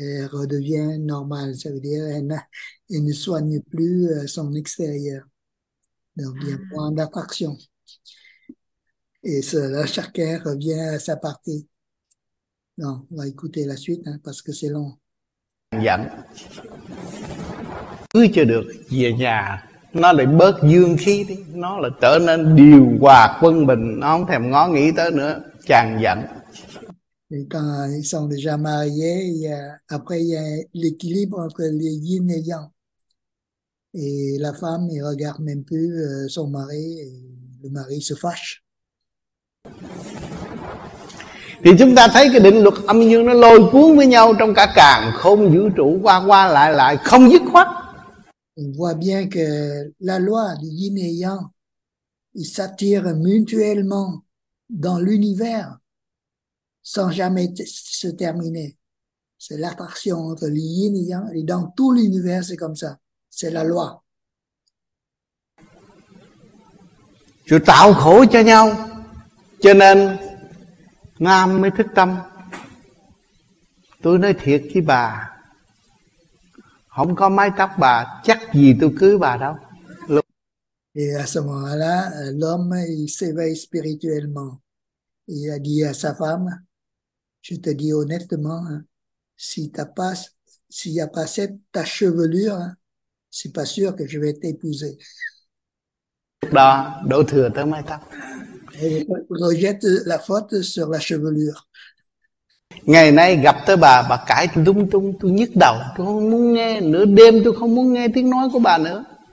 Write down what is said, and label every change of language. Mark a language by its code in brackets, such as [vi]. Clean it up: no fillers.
[fr] redevient normal. Ça veut dire qu'elle ne soigne plus son extérieur. Donc, il y a moins d'attraction. Et cela, chacun revient à sa partie. Non, on va écouter la suite hein, parce que c'est long. [vi] Dặn cứ chưa được về nhà nó lại bớt dương khí đi, nó là trở nên điều hòa quân bình, nó không thèm ngó nghĩ tới nữa. Chàng dặn [fr] quand ils sont déjà mariés, il y a, après il y a l'équilibre entre les yin et yang, et la femme ne regarde même plus son mari et le mari se fâche. [vi] Thì chúng ta thấy cái định luật âm dương nó lôi cuốn với nhau trong cả càn khôn vũ trụ, qua qua lại lại không dứt khoát. [fr] On voit bien que la loi du yin et yang s'attire mutuellement dans l'univers sans jamais se terminer. C'est l'attraction entre le yin et yang, et dans tout l'univers c'est comme ça. C'est la loi. [vi] Chứ tạo khổ cho nhau. Cho nên Nam mới thức tâm. Tôi nói thiệt với bà, không có mái tóc bà, chắc gì tôi cưới bà đâu. [fr] Et à ce moment-là, l'homme il s'éveille spirituellement. Il a dit à sa femme, je te dis honnêtement, hein, si t'as pas, s'il n'y a pas cette ta chevelure, hein, c'est pas sûr que je vais t'épouser. [vi] Đó, đổ thừa tới mái tóc. [fr] Rejette la faute sur la chevelure. [vi] Ngày nay gặp tới bà cãi lung tung, tôi nhức đầu, tôi không muốn nghe nửa đêm, tôi không muốn nghe tiếng nói của bà nữa.